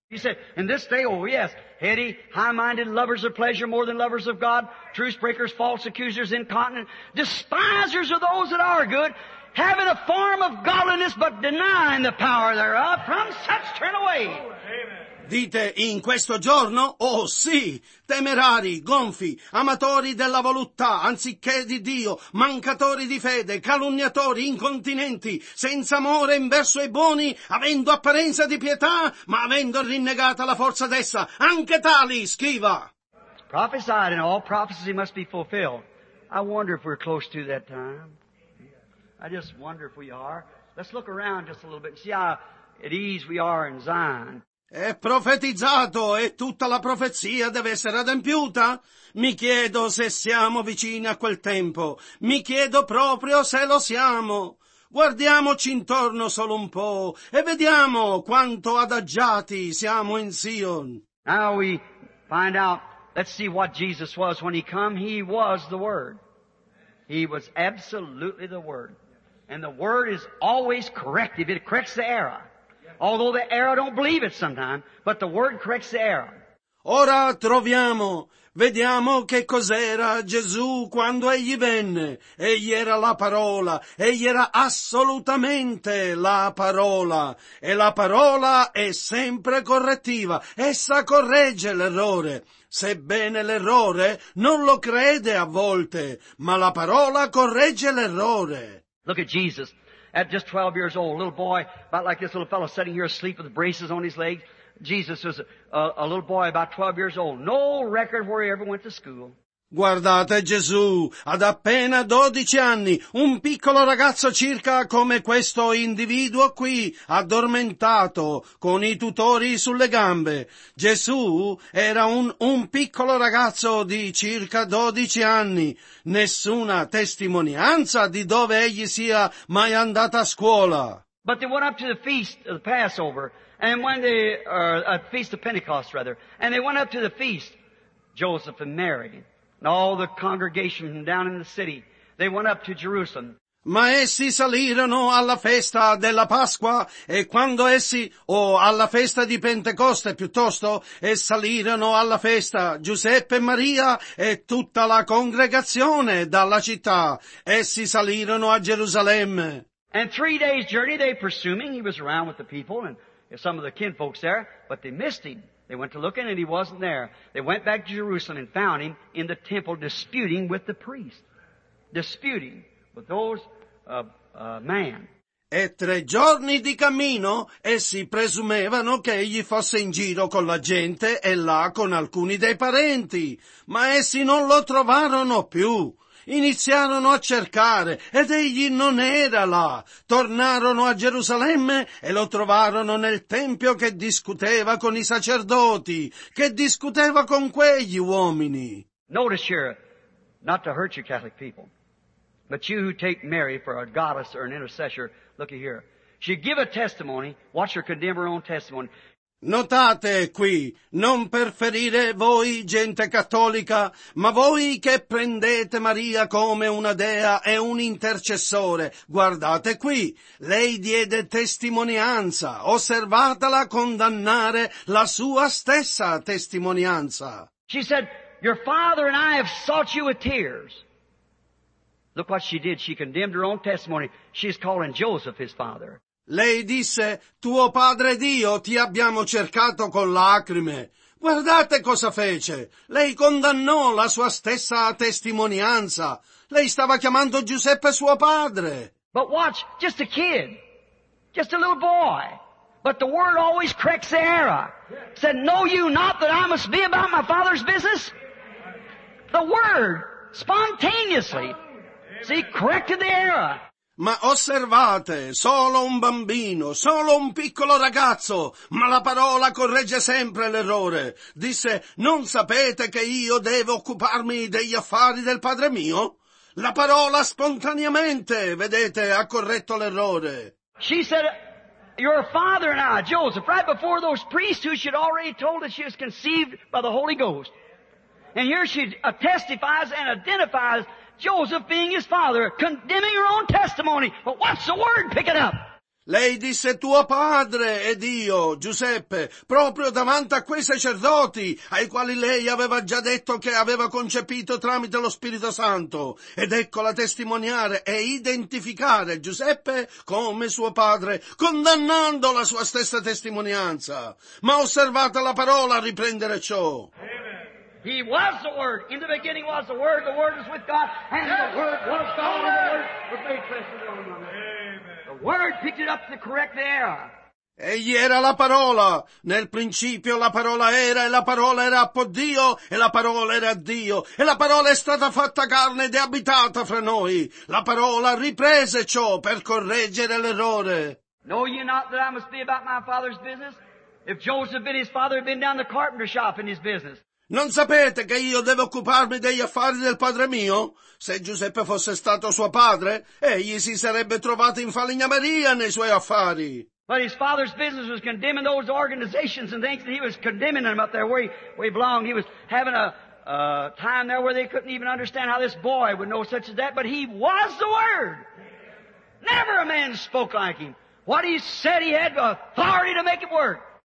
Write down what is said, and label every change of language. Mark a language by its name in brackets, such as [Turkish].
[English] He said, in this day, oh yes, heady, high-minded, lovers of pleasure more than lovers of God, truth breakers, false accusers, incontinent, despisers of those that are good, having a form of godliness but denying the power thereof, from such turn away. [Italian] Amen. Dite, in questo giorno? Oh sì! Temerari, gonfi, amatori della voluttà anziché di Dio, mancatori di fede, calunniatori, incontinenti, senza amore inverso i buoni, avendo apparenza di pietà, ma avendo rinnegata la forza d'essa, anche tali, scriva! [English] Prophesied and all prophecy must be fulfilled. I wonder if we're close to that time. I just wonder if we are. Let's look around just a little bit and see how at ease we are in Zion. [Italian] È profetizzato e tutta la profezia deve essere adempiuta? Mi chiedo se siamo vicini a quel tempo. Mi chiedo proprio se lo siamo. Guardiamoci intorno solo un po' e vediamo quanto adagiati siamo in Sion. [English] Now we find out, let's see what Jesus was when he come. He was the Word. He was absolutely the Word. And the Word is always corrective. It corrects the error. Although the error don't believe it sometimes, but the word corrects the error. [Italian] Ora troviamo, vediamo che cos'era Gesù quando egli venne. Egli era la parola, egli era assolutamente la parola. E la parola è sempre correttiva, essa corregge l'errore. Sebbene l'errore non lo crede a volte, ma la parola corregge l'errore. [English] Look at Jesus. At just 12 years old, a little boy, about like this little fellow sitting here asleep with braces on his legs. Jesus was a little boy about 12 years old. No record where he ever went to school. [Italian] Guardate Gesù, ad appena 12 anni, un piccolo ragazzo circa come questo individuo qui, addormentato, con i tutori sulle gambe. Gesù era un piccolo ragazzo di circa 12 anni. Nessuna testimonianza di dove egli sia mai andato a scuola. [English] But they went up to the feast of the Passover, and when they, feast of Pentecost rather, and they went up to the feast, Joseph and Mary. And all the congregation down in the city, they went up to Jerusalem. [Italian] Ma essi salirono alla festa della Pasqua, e quando essi, o alla festa di Pentecoste piuttosto, e salirono alla festa Giuseppe e Maria e tutta la congregazione dalla città, essi salirono a Gerusalemme. [English] And 3 days' journey they pursuing, he was around with the people and some of the kinfolks there, but they missed him. They went to looking and he wasn't there. They went back to Jerusalem and found him in the temple disputing with the priest. Disputing with those man. [Italian] E 3 giorni di cammino essi presumevano che egli fosse in giro con la gente e là con alcuni dei parenti, ma essi non lo trovarono più. Iniziarono a cercare, ed egli non era là. Tornarono a Gerusalemme e lo trovarono nel tempio che discuteva con i sacerdoti, che discuteva con quegli uomini. [English] Notice here, not to hurt you Catholic people, but you who take Mary for a goddess or an intercessor, look here. She give a testimony, watch her condemn her own testimony. [Italian] Notate qui, non per ferire voi gente cattolica, ma voi che prendete Maria come una dea e un intercessore, guardate qui, lei diede testimonianza, osservatela condannare la sua stessa testimonianza. [English] She said, your father and I have sought you with tears. Look what she did, she condemned her own testimony, she's calling Joseph his father. [Italian] Lei disse, tuo padre ed io ti abbiamo cercato con lacrime. Guardate cosa fece. Lei condannò la sua stessa testimonianza. Lei stava chiamando Giuseppe suo padre. [English] But watch, just a kid. Just a little boy. But the word always cracks the error. Said, know you not that I must be about my father's business? The word, spontaneously. See, corrected the error. [Italian] Ma osservate, solo un bambino, solo un piccolo ragazzo, ma la parola corregge sempre l'errore. Disse, non sapete che io devo occuparmi degli affari del padre mio? La parola spontaneamente, vedete, ha corretto l'errore. [English] She said, your father and I, Joseph, right before those priests who she'd already told that she was conceived by the Holy Ghost. And here she testifies and identifies Joseph being his father, condemning her own testimony. But what's the word picking up? [Italian] Lei disse tuo padre ed io, Giuseppe, proprio davanti a quei sacerdoti ai quali lei aveva già detto che aveva concepito tramite lo Spirito Santo. Ed eccola testimoniare e identificare Giuseppe come suo padre, condannando la sua stessa testimonianza. Ma osservata la parola a riprendere ciò. [English] He was the Word. In the beginning was the Word was with God, and the Word was God, and the Word was made flesh and dwelt among us. The Word picked it up to correct the error. [Italian] Egli era la parola. Nel principio la parola era, e la parola era con Dio, e la parola era Dio. E la parola è stata fatta carne ed è abitata fra noi. La parola riprese ciò per correggere l'errore. [English] Know ye not that I must be about my father's business? If Joseph and his father had been down the carpenter shop in his business. [Italian] Non sapete che io devo occuparmi degli affari del padre mio? Se Giuseppe fosse stato suo padre, egli si sarebbe trovato in falegnameria nei suoi affari. [English] But his father's business was condemning those organizations and things that he was condemning them up there where he belonged. He was having a time there where they couldn't even understand how this boy would know such as that, but he was the Word. Never a man spoke like him. What he said he had authority to make it work.